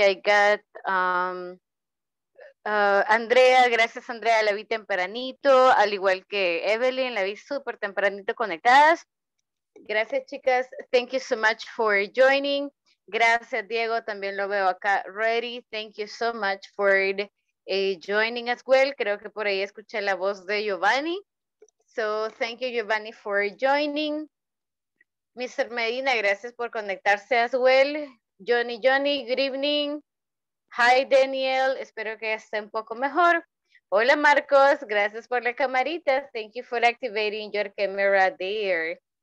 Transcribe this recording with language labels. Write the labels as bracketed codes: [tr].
[es] I got Andrea, gracias Andrea, la vi tempranito, al igual que Evelyn, la vi súper tempranito conectadas. Gracias chicas, thank you so much for joining. Gracias Diego, también lo veo acá ready. [en] Thank you so much for joining as well. [es] Creo que por ahí escuché la voz de Giovanni. [en] So thank you Giovanni for joining. Mr. Medina, gracias por conectarse as well. Johnny, good evening. [es] Hi Daniel, espero que esté un poco mejor. [en] Hola Marcos, gracias por la camarita. Thank you for activating your camera there.